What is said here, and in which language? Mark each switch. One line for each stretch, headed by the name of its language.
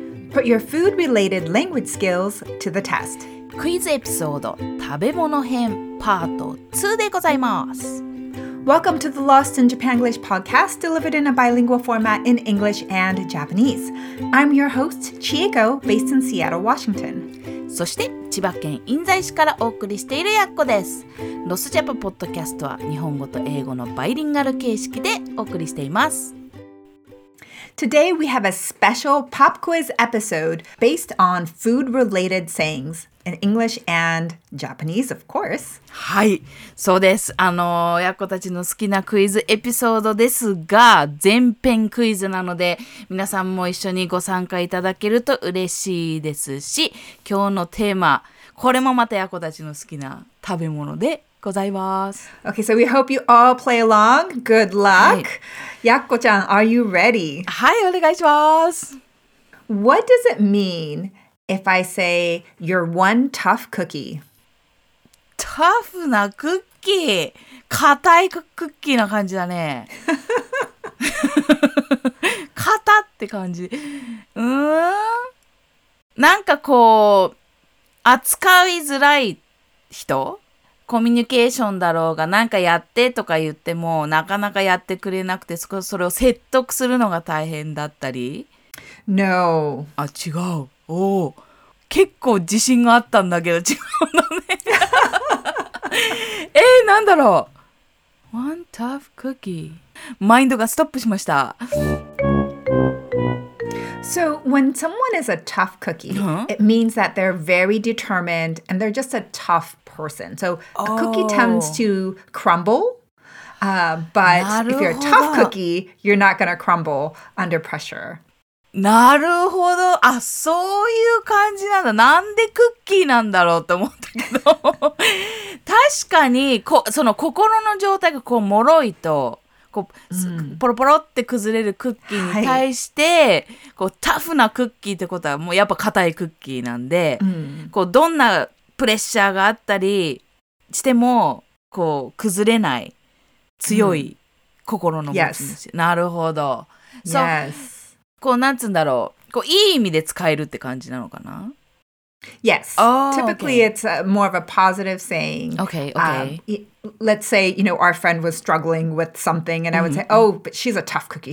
English: Put your food-related language skills to the test.
Japanese: クイズエピソード食べ物編パート2でございます。
English: Welcome to the Lost in Japanglish podcast, delivered in a bilingual format in English and Japanese. I'm your host, Chieko, based in Seattle, Washington.
Japanese: そして千葉県印西市からお送りしているやっこです。ロスジャパポッドキャストは日本語と英語のバイリンガル形式でお送りしています。
English: Today we have a special pop quiz episode based on food-related sayings in English and Japanese, of course.
Japanese: はい、そうです。やっこたちの好きなクイズエピソードですが、全編クイズなので、皆さんも一緒にご参加いただけると嬉しいですし、今日のテーマ、これもまたやっこたちの好きな食べ物で、
English: Okay, so we hope you all play along. Good luck. Yakko-chan, are you ready? Hi,
Japanese: お願いします。
English: What does it mean if I say you're one tough cookie?
Japanese: Tough なクッキー。硬いクッキーな感じだね。硬って感じ。なんかこう、扱いづらい人? コミュニケーションだろうが、なんかやってとか言っても、なかなかやってくれなくて、それを説得するのが大変だったり。
English: No.
Japanese: あ、違う。おお。結構自信があったんだけど、違うのね。なんだろう。
English: One tough cookie.
Japanese: マインドがストップしました。
English: So when someone is a tough cookie, it means that they're very determined and they're just a tough person. So a cookie tends to crumble, but if you're a tough cookie, you're not going to crumble under pressure.
Japanese: なるほど。あ、そういう感じなんだ。なんでクッキーなんだろうと思ったけど。確かに、その心の状態がこう脆いと、こうポロポロって崩れるクッキーに対して、はい、こうタフなクッキーってことはもうやっぱ硬いクッキーなんで、こうどんなプレッシャーがあったりしてもこう崩れない強い心の持ち主、なるほど、
English: yes.
Japanese: こうなんつうんだろう、こういい意味で使えるって感じなのかな。
English: Yes. Oh, typically, okay. it's more of a positive saying. Okay, okay. Let's say, you know, our friend was struggling with something, and mm-hmm. I would say, oh, but she's a tough cookie.